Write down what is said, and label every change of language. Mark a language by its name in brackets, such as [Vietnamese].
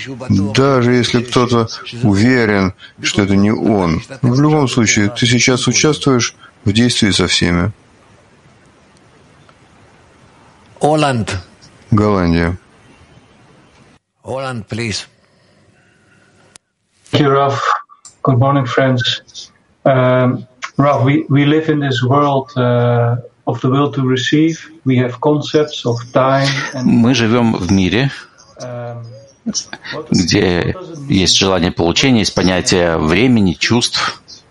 [Russian] Даже если кто-то уверен, что это не он. В любом случае, ты сейчас участвуешь в действии со всеми. Оланд. Голландия. [English] Оланд, please. Thank you, Raf. Good morning, friends. Raf, we live in this world of the will to receive. We have concepts of time. [Russian] Мы живем в мире, где есть желание получения, есть понятие времени, чувств.